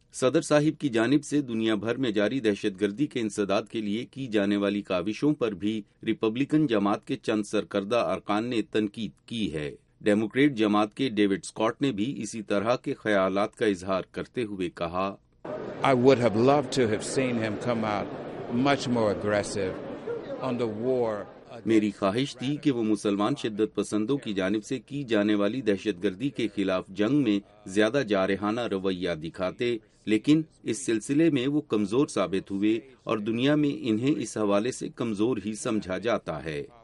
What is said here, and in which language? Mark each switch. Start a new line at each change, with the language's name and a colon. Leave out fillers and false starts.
Urdu: صدر صاحب کی جانب سے دنیا بھر میں جاری دہشت گردی کے انسداد کے لیے کی جانے والی کاوشوں پر بھی ریپبلکن جماعت کے چند سرکردہ ارکان نے تنقید کی ہے. ڈیموکریٹ جماعت کے ڈیوڈ سکاٹ نے بھی اسی طرح کے خیالات کا اظہار کرتے ہوئے کہا,
English: I would have loved to have seen him come out much more aggressive on the war.
Urdu: میری خواہش تھی کہ وہ مسلمان شدت پسندوں کی جانب سے کی جانے والی دہشت گردی کے خلاف جنگ میں زیادہ جارحانہ رویہ دکھاتے, لیکن اس سلسلے میں وہ کمزور ثابت ہوئے, اور دنیا میں انہیں اس حوالے سے کمزور ہی سمجھا جاتا ہے.